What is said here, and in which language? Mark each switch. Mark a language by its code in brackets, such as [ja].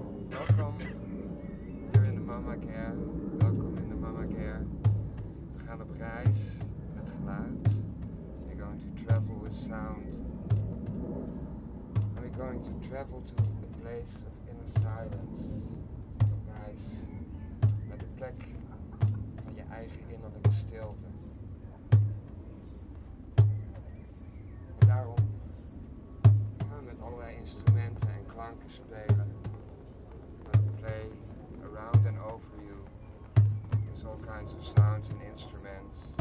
[nl] Welkom hier in de Mama Care. Welkom in de Mama Care. We gaan op reis met geluid. [en] Sound. And we're going to travel to the place of inner silence. So guys, at the [nl] plek van je eigen innerlijke stilte. En daarom gaan we met allerlei instrumenten en klanken spelen. [en] We're going to play around and over you. There's all kinds of sounds and instruments.